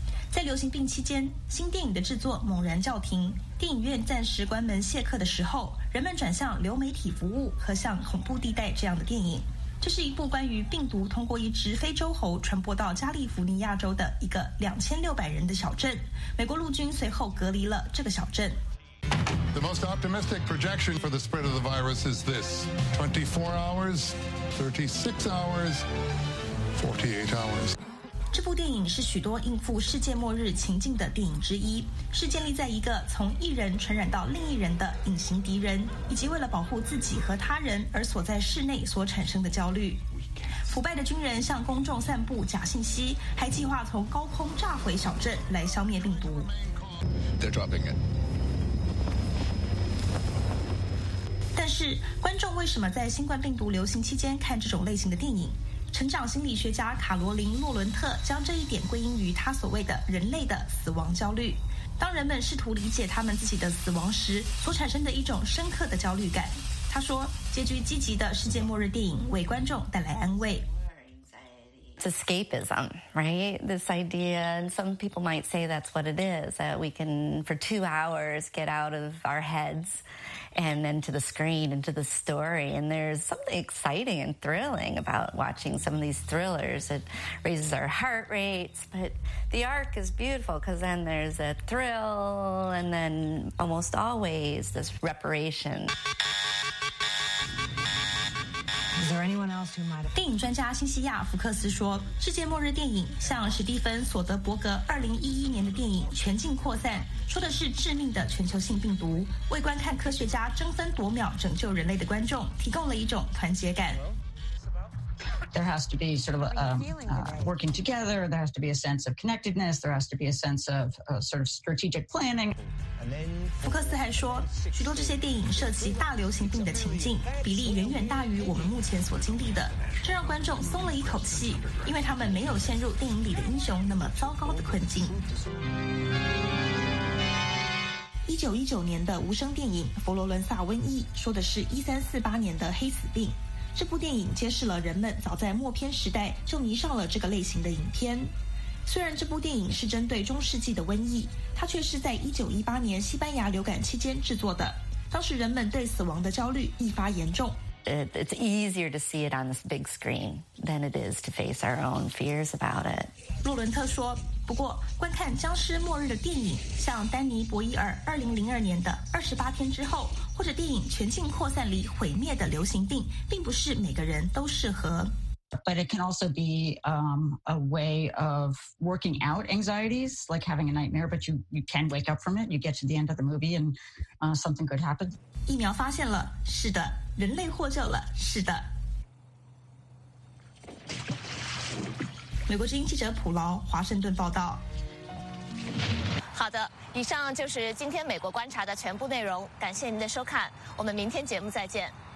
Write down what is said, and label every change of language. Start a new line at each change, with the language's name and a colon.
Chinese: 在流行病期间，新电影的制作猛然叫停，电影院暂时关门谢客的时候，人们转向流媒体服务和像《恐怖地带》这样的电影。这是一部关于病毒通过一只非洲猴传播到加利福尼亚州的一个2600人的小镇。美国陆军随后隔离了这个小镇。
English: The most optimistic projection for the spread of the virus is this: 24 hours, 36 hours, 48 hours.
Chinese: 这部电影是许多应付世界末日情境的电影之一，是建立在一个从一人传染到另一人的隐形敌人，以及为了保护自己和他人而锁在室内所产生的焦虑。腐败的军人向公众散布假信息，还计划从高空炸毁小镇来消灭病毒。
English: They're dropping it.
Chinese: 但是，观众为什么在新冠病毒流行期间看这种类型的电影？成长心理学家卡罗琳·洛伦特将这一点归因于他所谓的人类的死亡焦虑，当人们试图理解他们自己的死亡时所产生的一种深刻的焦虑感。他说，结局积极的世界末日电影为观众带来安慰。
English: It's escapism, right? This idea, and some people might say that's what it is, that we can, for 2 hours, get out of our heads and into the screen, into the story. And there's something exciting and thrilling about watching some of these thrillers. It raises our heart rates, but the arc is beautiful because then there's a thrill and then almost always this reparation.
Chinese: 电影专家辛西亚·福克斯说，世界末日电影像史蒂芬·索德伯格2011年的电影《全境扩散》，说的是致命的全球性病毒，为观看科学家争分夺秒拯救人类的观众提供了一种团结感。
English: There has to be sort of working together. There has to be a sense of connectedness. There has to be a sense of sort of strategic planning.
Chinese: 福克斯还说，许多这些电影涉及大流行病的情境，比例远远大于我们目前所经历的，这让观众松了一口气，因为他们没有陷入电影里的英雄那么糟糕的困境。 1919年的无声电影《佛罗伦萨瘟疫》说的是1348年的黑死病。这部电影揭示了人们早在默片时代就迷上了这个类型的影片。虽然这部电影是针对中世纪的瘟疫，它却是在1918年西班牙流感期间制作的，当时人们对死亡的焦虑愈发严重。
English: It's easier to see it on this big screen than it is to face our own fears about it.
Chinese: 洛伦特说，不过观看僵尸末日的电影，像丹尼·博伊尔2002年的《28天之后》，或者电影《全境扩散》里毁灭的流行病，并不是每个人都适合。
English: But it can also be a way of working out anxieties, like having a nightmare, but you can wake up from it. You get to the end of the movie and something good happens.
Chinese: 疫苗发现了，是的，人类获救了，是的。美国之音记者普劳，华盛顿报道。好的，以上就是今天美国观察的全部内容，感谢您的收看，我们明天节目再见。